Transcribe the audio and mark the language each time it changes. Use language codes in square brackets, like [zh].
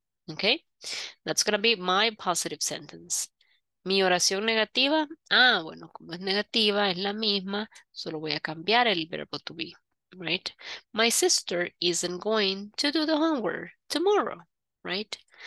[en] Okay, that's going to be my positive sentence. [es] Mi oración negativa, bueno, como es negativa, es la misma, solo voy a cambiar el verbo to be, right? [en] My sister isn't going to do the homework tomorrow, right?